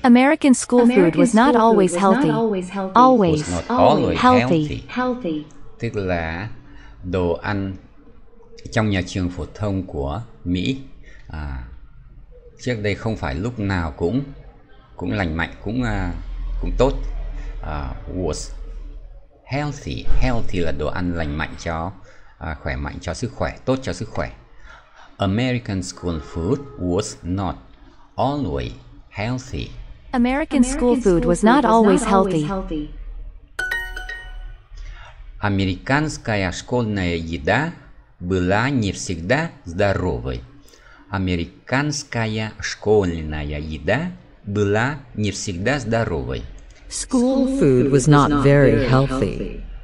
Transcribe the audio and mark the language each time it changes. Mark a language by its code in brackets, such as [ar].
[en] American school food was not always healthy. Always was not always healthy. [vi] Tức là đồ ăn trong nhà trường phổ thông của Mỹ trước đây không phải lúc nào cũng lành mạnh, cũng tốt. [en] Was healthy. [vi] Healthy là đồ ăn lành mạnh cho khỏe mạnh, cho sức khỏe, tốt cho sức khỏe. [en] American school food was not always healthy. American school food was not always healthy. [ru] Американская школьная еда была не всегда здоровой. Американская школьная еда была не всегда здоровой. [en] School food was not very healthy.